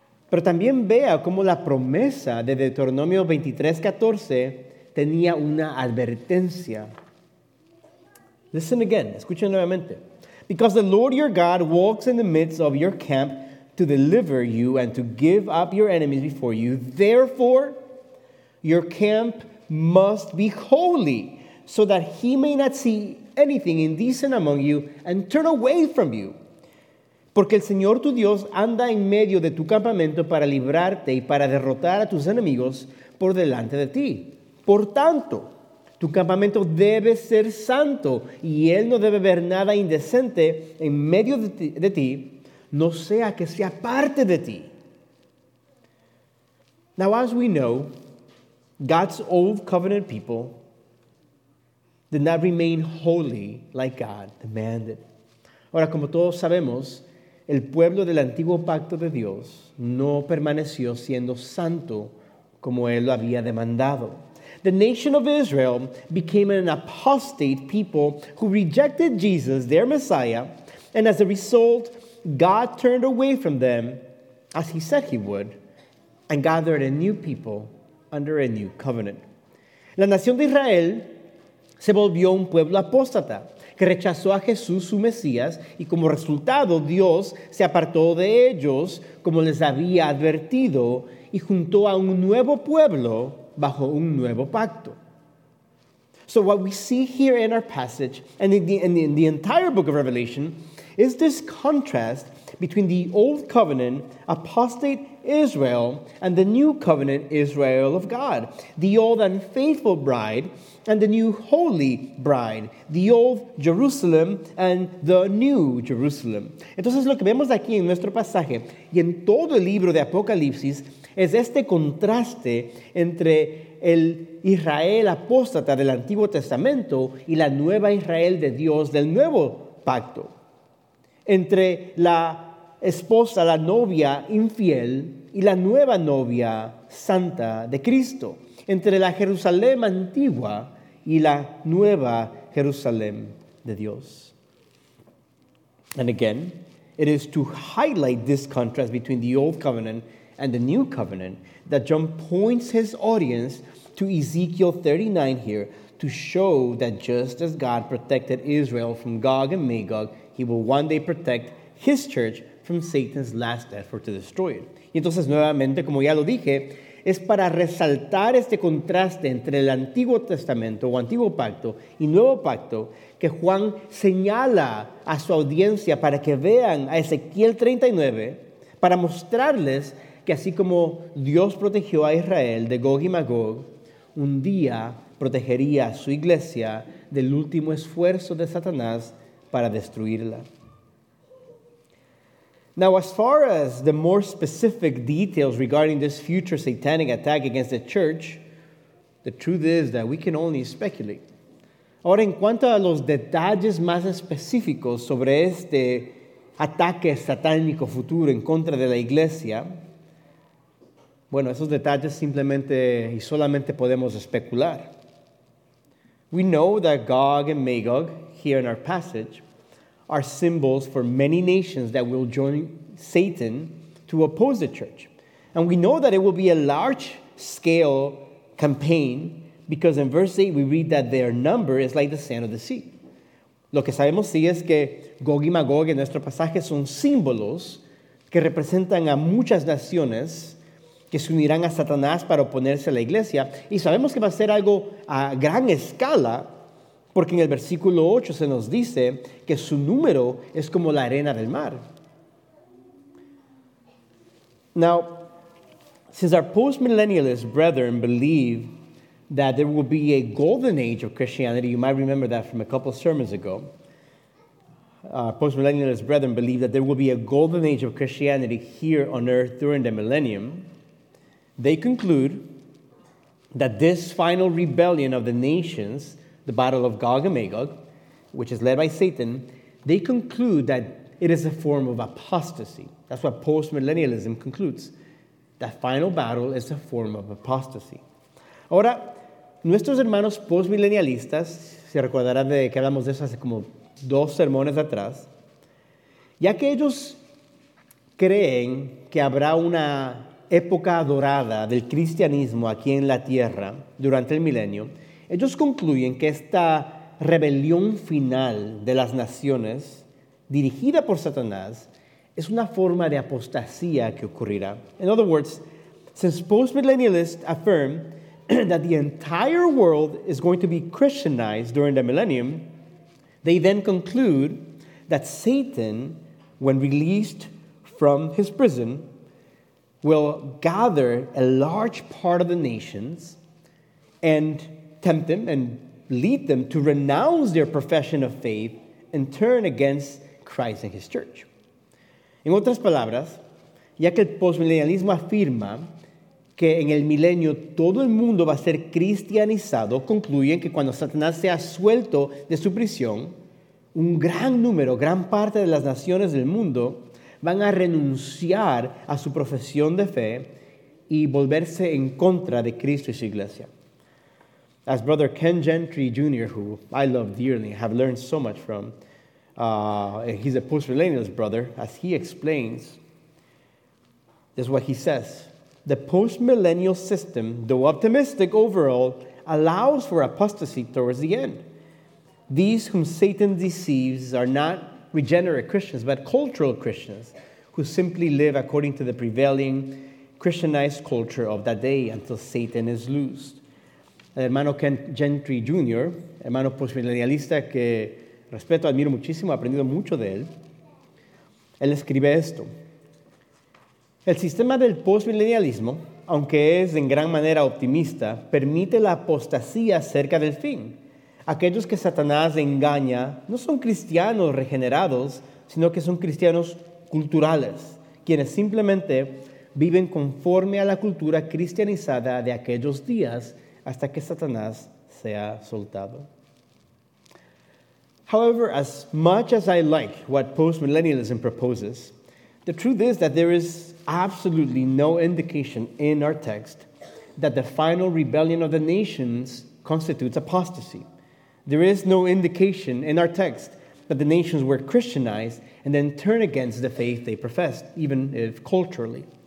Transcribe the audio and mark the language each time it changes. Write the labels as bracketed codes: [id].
[es] Pero también vea cómo la promesa de Deuteronomio 23:14 tenía una advertencia. [en] Listen again, [es] escuchen nuevamente. [en] Because the Lord your God walks in the midst of your camp to deliver you and to give up your enemies before you. Therefore, your camp must be holy, so that he may not see anything indecent among you and turn away from you. [es] Porque el Señor tu Dios anda en medio de tu campamento para librarte y para derrotar a tus enemigos por delante de ti. Por tanto, tu campamento debe ser santo y él no debe ver nada indecente en medio de ti, no sea que sea parte de ti. [en] Now, as we know, God's old covenant people did not remain holy like God demanded. [es] Ahora, como todos sabemos, el pueblo del antiguo pacto de Dios no permaneció siendo santo como él lo había demandado. [en] The nation of Israel became an apostate people who rejected Jesus, their Messiah, And as a result, God turned away from them, as he said he would, and gathered a new people under a new covenant. [es] La nación de Israel se volvió un pueblo apóstata, que rechazó a Jesús, su Mesías, y como resultado, Dios se apartó de ellos, como les había advertido, y juntó a un nuevo pueblo bajo un nuevo pacto. [en] So what we see here in our passage, and in the entire book of Revelation, is this contrast between the old covenant, apostate Israel, and the new covenant, Israel of God. The old and faithful bride, and the new holy bride. The old Jerusalem, and the new Jerusalem. [es] Entonces, lo que vemos aquí en nuestro pasaje, y en todo el libro de Apocalipsis, es este contraste entre el Israel apóstata del Antiguo Testamento y la nueva Israel de Dios del Nuevo Pacto. Entre la esposa, la novia infiel, y la nueva novia santa de Cristo. Entre la Jerusalén antigua y la nueva Jerusalén de Dios. [en] And again, it is to highlight this contrast between the old covenant and the new covenant that John points his audience to Ezekiel 39 here to show that just as God protected Israel from Gog and Magog, he will one day protect his church from Satan's last effort to destroy it. [es] Y entonces, nuevamente, como ya lo dije, es para resaltar este contraste entre el Antiguo Testamento o Antiguo Pacto y Nuevo Pacto que Juan señala a su audiencia para que vean a Ezequiel 39 para mostrarles que así como Dios protegió a Israel de Gog y Magog, un día protegería a su iglesia del último esfuerzo de Satanás para destruirla. [en] Now, as far as the more specific details regarding this future satanic attack against the church, the truth is that we can only speculate. [es] Ahora, en cuanto a los detalles más específicos sobre este ataque satánico futuro en contra de la iglesia, bueno, esos detalles simplemente y solamente podemos especular. [en] We know that Gog and Magog, here in our passage, are symbols for many nations that will join Satan to oppose the church. And we know that it will be a large-scale campaign because in verse 8 we read that their number is like the sand of the sea. [es] Lo que sabemos sí es que Gog y Magog en nuestro pasaje son símbolos que representan a muchas naciones que se unirán a Satanás para oponerse a la iglesia. Y sabemos que va a ser algo a gran escala porque en el versículo 8 se nos dice que su número es como la arena del mar. [en] Now, since our post-millennialist brethren believe that there will be a golden age of Christianity, you might remember that from a couple of sermons ago. Post-millennialist brethren believe that there will be a golden age of Christianity here on earth during the millennium. They conclude that this final rebellion of the nations, the Battle of Gog and Magog, which is led by Satan, they conclude that it is a form of apostasy. That's what post-millennialism concludes. That final battle is a form of apostasy. [es] Ahora, nuestros hermanos post-millennialistas, se recordarán de que hablamos de eso hace como dos sermones atrás, ya que ellos creen que habrá una época dorada del cristianismo aquí en la tierra durante el milenio, ellos concluyen que esta rebelión final de las naciones dirigida por Satanás es una forma de apostasía que ocurrirá. [en] In other words, since post-millennialists affirm that the entire world is going to be Christianized during the millennium, they then conclude that Satan, when released from his prison, will gather a large part of the nations and tempt them and lead them to renounce their profession of faith and turn against Christ and his church. [es] En otras palabras, ya que el postmillenialismo afirma que en el milenio todo el mundo va a ser cristianizado, concluyen que cuando Satanás sea suelto de su prisión, un gran número, gran parte de las naciones del mundo van a renunciar a su profesión de fe y volverse en contra de Cristo y su iglesia. [en] As Brother Ken Gentry Jr., who I love dearly, have learned so much from, he's a post-millennialist brother, as he explains, this is what he says. The post-millennial system, though optimistic overall, allows for apostasy towards the end. These whom Satan deceives are not regenerate Christians, but cultural Christians who simply live according to the prevailing Christianized culture of that day until Satan is loosed. [es] Hermano Kent Gentry Jr., hermano postmillennialista que respeto, admiro muchísimo, he aprendido mucho de él, él escribe esto. El sistema del postmillennialismo, aunque es en gran manera optimista, permite la apostasía cerca del fin. Aquellos que Satanás engaña no son cristianos regenerados, sino que son cristianos culturales, quienes simplemente viven conforme a la cultura cristianizada de aquellos días hasta que Satanás sea soltado. [en] However, as much as I like what postmillennialism proposes, the truth is that there is absolutely no indication in our text that the final rebellion of the nations constitutes apostasy. There is no indication in our text that the nations were Christianized and then turn against the faith they professed, even if culturally.